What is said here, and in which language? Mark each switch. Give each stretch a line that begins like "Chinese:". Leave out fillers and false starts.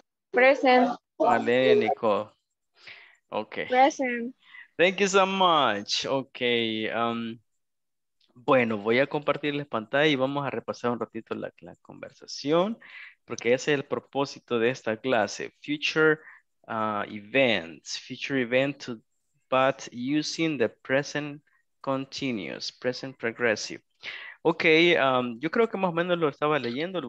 English: Present. Valeria Nicole. Okay. Present. Thank you so much. Okay.
Spanish: Bueno, voy a compartirles pantalla y vamos a repasar un ratito la conversación, porque ese es el propósito de esta clase.
English: Future events, but using the present continuous, present progressive.
Spanish: Ok, yo creo que más o menos lo estaba leyendo.